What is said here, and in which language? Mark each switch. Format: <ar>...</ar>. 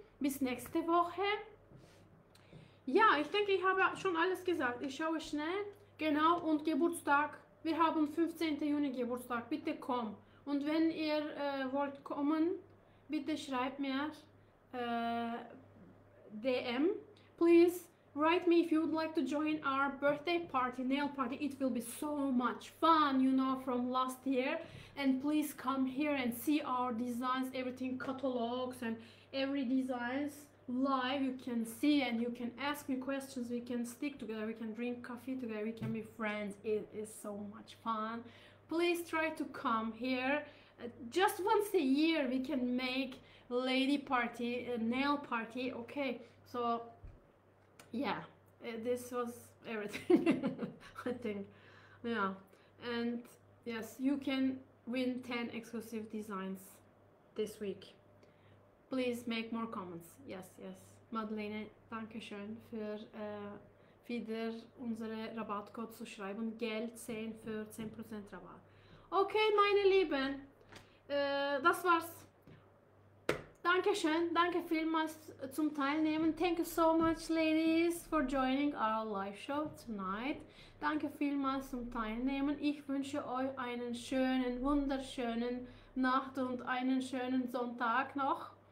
<de>Bis nächste Woche. Ja, ich denke, ich habe schon alles gesagt. Ich schaue schnell. Genau, und Geburtstag. Wir haben 15. Juni Geburtstag. Bitte komm. Und wenn ihr wollt kommen, bitte schreibt mir DM.</de> <en>Please write me if you would like to join our birthday party, nail party. It will be so much fun, you know, from last year. And please come here and see our designs, everything, catalogs and every designs live. You can see and you can ask me questions. We can stick together. We can drink coffee together. We can be friends. It is so much fun. Please try to come here just once a year. We can make lady party, a nail party. Okay, so yeah, this was everything. I think, yeah, and yes, you can win 10 exclusive designs this week. Please make more comments.</en> <de>Yes, yes, Madeleine, danke schön für wieder unsere Rabattcode zu schreiben. Geld 10 für 10% Rabatt. Okay, meine Lieben, das war's. Dankeschön, danke vielmals zum Teilnehmen.</de> <en>Thank you so much, ladies, for joining our live show tonight.</en> <de>Danke vielmals zum Teilnehmen. Ich wünsche euch einen schönen, wunderschönen Nacht und einen schönen Sonntag noch.</de>